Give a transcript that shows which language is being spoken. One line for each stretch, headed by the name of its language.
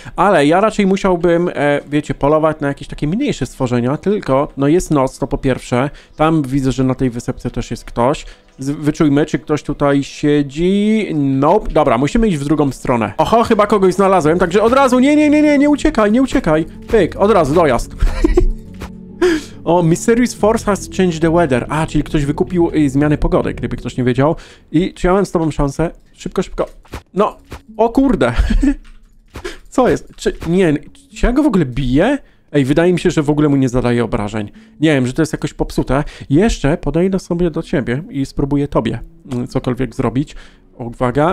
Polish: Ale ja raczej musiałbym, wiecie, polować na jakieś takie mniejsze stworzenia. Tylko, no jest noc, to po pierwsze. Tam widzę, że na tej wysepce też jest ktoś. Wyczujmy, czy ktoś tutaj siedzi. Nope. Dobra, musimy iść w drugą stronę. Oho, chyba kogoś znalazłem, także od razu. Nie uciekaj. Pyk, od razu, dojazd.
English: O, Mysterious Force has changed the weather.
Polish: A, czyli ktoś wykupił zmiany pogody, gdyby ktoś nie wiedział. I czy ja mam z tobą szansę? Szybko. No, o kurde. Co jest? Czy ja go w ogóle biję? Ej, wydaje mi się, że w ogóle mu nie zadaje obrażeń. Nie wiem, że to jest jakoś popsute. Jeszcze podejdę sobie do ciebie i spróbuję tobie cokolwiek zrobić. Uwaga.